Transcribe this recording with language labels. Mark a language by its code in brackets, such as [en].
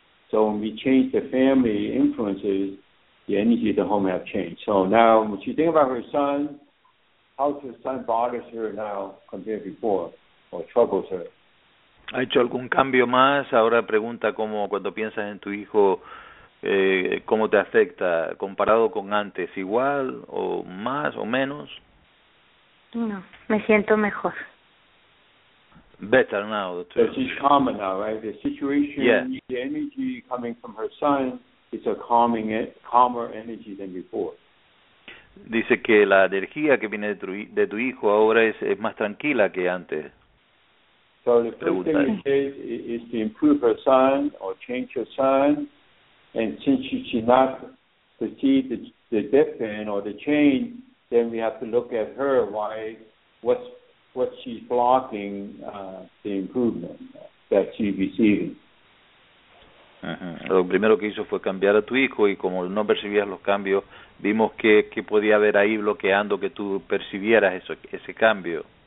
[en] So when we change the family influences, the energy of the home have changed. So now when she thinks about her son, how does her son bothers her now compared to before or troubles her? [es] ¿Ha hecho algún cambio más? Ahora pregunta cómo cuando piensas en tu hijo, cómo te afecta comparado con antes, igual o más o menos. No, me siento mejor. [en] Better now. So she's calmer now, right? The situation, yeah. The energy coming from her son is a calming, calmer energy than before. [es] Dice que la energía que viene de tu hijo ahora es más tranquila que antes. [en] So the first thing it says is to improve her son or change her son. And since she cannot perceive the difference or the change, then we have to look at her, what she's blocking the improvement that she's receiving. Uh-huh. [es] Lo primero que hizo fue cambiar a tu hijo y como no percibías los cambios, vimos que podía haber ahí bloqueando que tú percibieras ese cambio.